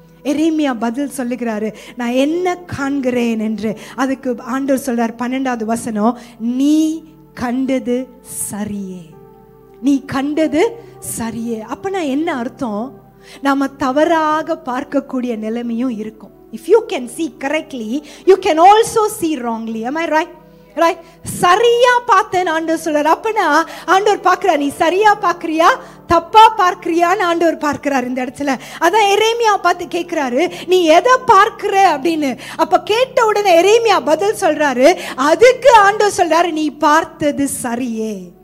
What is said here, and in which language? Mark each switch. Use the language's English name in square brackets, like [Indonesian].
[Tamil] எரேமியா பதில் சொல்லுகிறாரு, நான் என்ன காண்கிறேன் என்று. அதுக்கு ஆண்டவர் சொல்றார் 12வது வசனம், நீ கண்டது சரியே, நீ கண்டது சரியே. அப்பனா என்ன அர்த்தம்? நாம தவறாக பார்க்கக்கூடிய நிலைமையும் இருக்கும். [English] If you can see correctly, you can also see wrongly. Am I right? Right? [Tamil] சரியா பார்த்தேன் ஆண்டவர் சொல்றார். அப்பனா ஆண்டவர் பார்க்கிறார், நீ சரியா பார்க்கறியா தப்பா பார்க்கறியான்னு ஆண்டவர் பார்க்கிறார் இந்த இடத்துல. அதான் எரேமியா பார்த்து கேட்கிறாரு, நீ எதை பார்க்கிற அப்படின்னு. அப்ப கேட்ட உடனே எரேமியா பதில் சொல்றாரு, அதுக்கு ஆண்டவர் சொல்றாரு, நீ பார்த்தது சரியே.